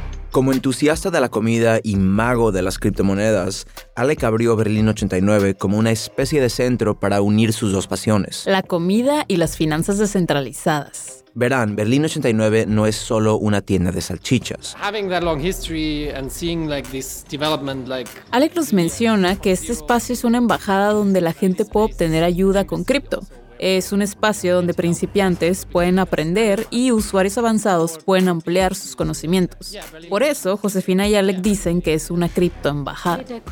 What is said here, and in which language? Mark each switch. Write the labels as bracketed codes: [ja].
[es] Como entusiasta de la comida y mago de las criptomonedas, Alec abrió Berlín 89 como una especie de centro para unir sus dos pasiones. La comida y las finanzas descentralizadas. Verán, Berlín 89 no es solo una tienda de salchichas. [en] Having that long history and seeing like this development, like... [es] Alec nos menciona que este espacio es una embajada donde la gente puede obtener ayuda con cripto. Es un espacio donde principiantes pueden aprender y usuarios avanzados pueden ampliar sus conocimientos. Por eso, Josefina y Alec dicen que es una criptoembajada.